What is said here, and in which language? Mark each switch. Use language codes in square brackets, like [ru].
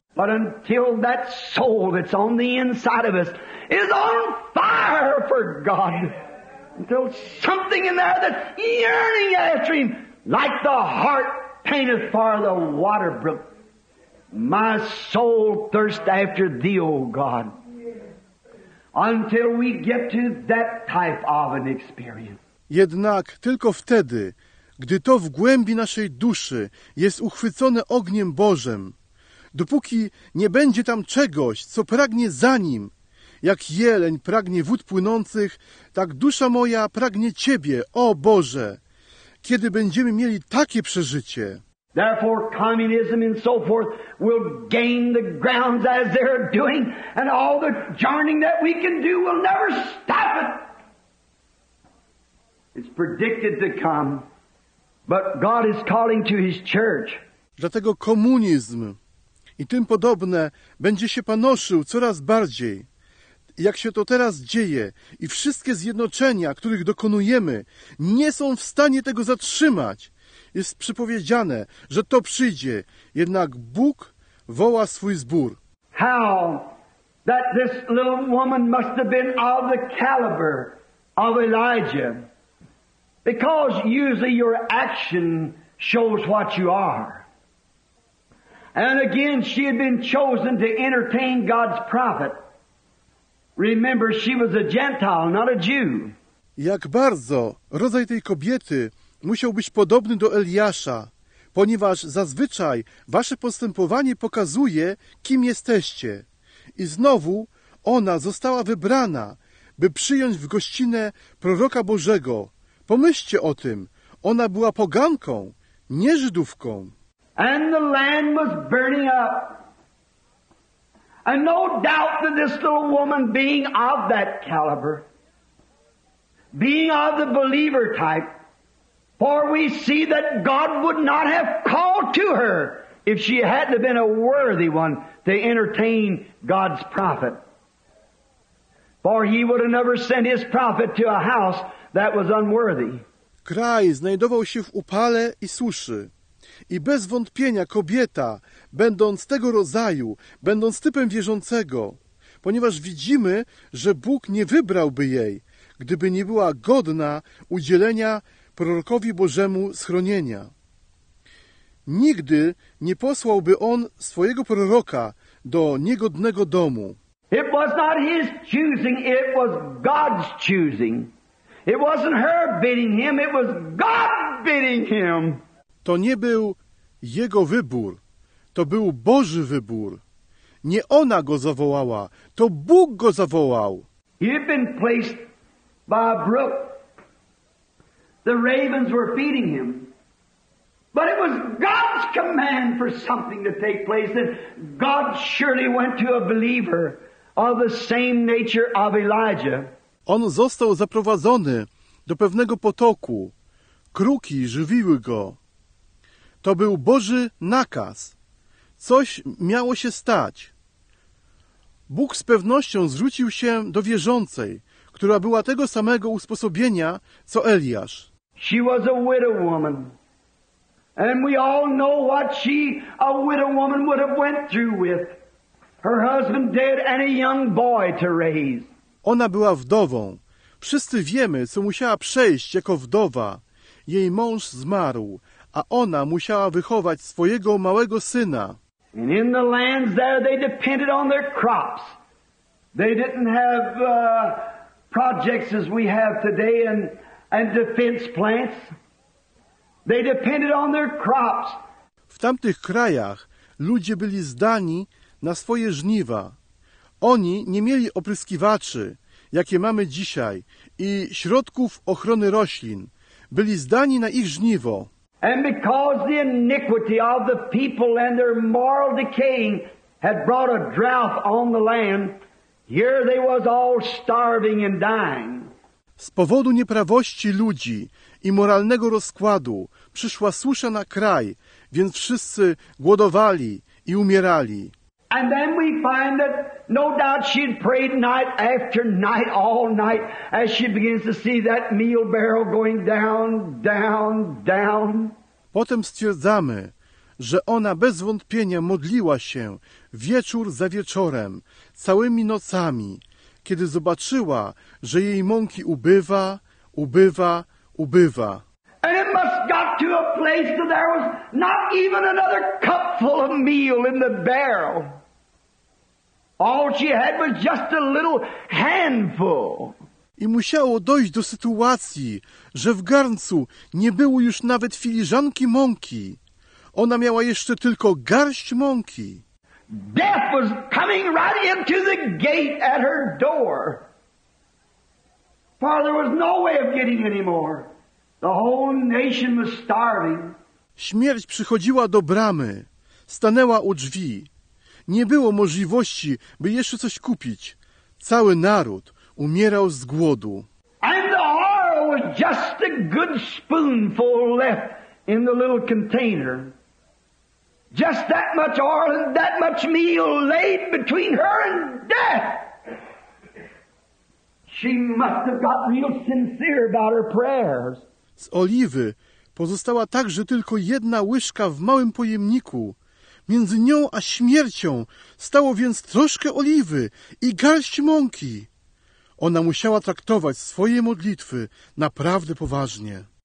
[en] But until that soul that's on the inside of us is on fire for God, until something in there that's yearning after Him, like the heart panteth for the water brook, my soul thirst after Thee, O God. Until we get to that type of an experience. [pl] Jednak tylko wtedy, gdy to w głębi naszej duszy jest uchwycone ogniem Bożym, dopóki nie będzie tam czegoś, co pragnie za Nim, jak jeleń pragnie wód płynących, tak dusza moja pragnie Ciebie, o Boże, kiedy będziemy mieli takie przeżycie. [en] Therefore, communism and so forth will gain the grounds as they're doing, and all the journeying that we can do will never stop it. It's predicted to come, but God is calling to His church. [pl] Dlatego komunizm i tym podobne będzie się panoszył coraz bardziej. Jak się to teraz dzieje i wszystkie zjednoczenia, których dokonujemy, nie są w stanie tego zatrzymać. Jest przypowiedziane, że to przyjdzie, jednak Bóg woła swój zbór. [en] How that this little woman must have been of the caliber of Elijah, because usually your action shows what you are. And again, she had been chosen to entertain God's prophet. Remember, she was a Gentile, not a Jew. [pl] Jak bardzo rodzaj tej kobiety musiał być podobny do Eliasza, ponieważ zazwyczaj wasze postępowanie pokazuje, kim jesteście. I znowu ona została wybrana, by przyjąć w gościnę proroka Bożego. Pomyślcie o tym, ona była poganką, nie Żydówką. [en] And the land was burning up. And no doubt that this little woman being of that caliber, being of the believer type, for we see that God would not have called to her if she hadn't been a worthy one to entertain God's prophet. For He would have never sent His prophet to a house that was unworthy. [pl] Kraj znajdował się w upale i suszy. I bez wątpienia kobieta, będąc tego rodzaju, będąc typem wierzącego, ponieważ widzimy, że Bóg nie wybrałby jej, gdyby nie była godna udzielenia prorokowi Bożemu schronienia. Nigdy nie posłałby on swojego proroka do niegodnego domu. [en] It was not his choosing, it was God's choosing. It wasn't her bidding him, it was God bidding him. [pl] To nie był jego wybór, to był Boży wybór. Nie ona go zawołała, to Bóg go zawołał. [en] He had been placed by a brook. The ravens were feeding him. But it was God's command for something to take place, and God surely went to a believer of the same nature of Elijah. [pl] On został zaprowadzony do pewnego potoku. Kruki żywiły go. To był Boży nakaz. Coś miało się stać. Bóg z pewnością zwrócił się do wierzącej, która była tego samego usposobienia, co Eliasz. [en] She was a widow woman. And we all know what she, a widow woman, would have went through with. Her husband dead and a young boy to raise. [pl] Ona była wdową. Wszyscy wiemy, co musiała przejść jako wdowa. Jej mąż zmarł, a ona musiała wychować swojego małego syna. [en] And in the lands there they depended on their crops. They didn't have projects as we have today and defense plants. They depended on their crops. [pl] W tamtych krajach ludzie byli zdani na swoje żniwa. Oni nie mieli opryskiwaczy, jakie mamy dzisiaj, i środków ochrony roślin. Byli zdani na ich żniwo. [en] And because the iniquity of the people and their moral decaying had brought a drought on the land, here they was all starving and dying. [pl] Z powodu nieprawości ludzi i moralnego rozkładu przyszła susza na kraj, więc wszyscy głodowali i umierali. [en] And then we find that no doubt she had prayed night after night, all night, as she begins to see that meal barrel going down, down, down. [pl] Potem stwierdzamy, że ona bez wątpienia modliła się wieczór za wieczorem, całymi nocami, kiedy zobaczyła, że jej mąki ubywa, ubywa, ubywa. [en] And it must got to a place that there was not even another cup full of meal in the barrel. All she had was just a little handful. [pl] I musiało dojść do sytuacji, że w garncu nie było już nawet filiżanki mąki. Ona miała jeszcze tylko garść mąki. [en] Death was coming right into the gate at her door. For there was no way of getting any more. The whole nation was starving. [pl] Śmierć przychodziła do bramy. Stanęła u drzwi. Nie było możliwości, by jeszcze coś kupić. Cały naród umierał z głodu. [en] And the oil was just a good spoonful left in the little container. Just that much oil and that much meal laid between her and death. She must have got real sincere about her prayers. [pl] Z oliwy pozostała także tylko jedna łyżka w małym pojemniku. Między nią a śmiercią stało więc troszkę oliwy i garść mąki. Ona musiała traktować swoje modlitwy naprawdę poważnie.